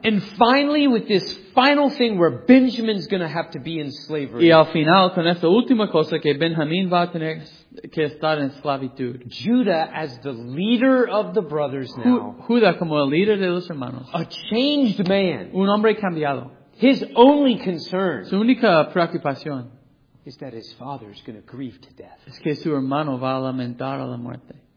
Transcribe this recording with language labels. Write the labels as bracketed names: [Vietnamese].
[English] And finally, with this final thing where Benjamin's going to have to be in slavery. [Spanish] Y al final, con esta última cosa que Benjamín va a tener que estar en esclavitud. [English] Judah, as the leader of the brothers now. [Spanish] Judah como el líder de los hermanos. [English] A changed man. [Spanish] Un hombre cambiado. [English] His only concern. [Spanish] Su única preocupación. [English] Is that his father is going to grieve to death. [Spanish] Es que su hermano va a lamentar a la muerte.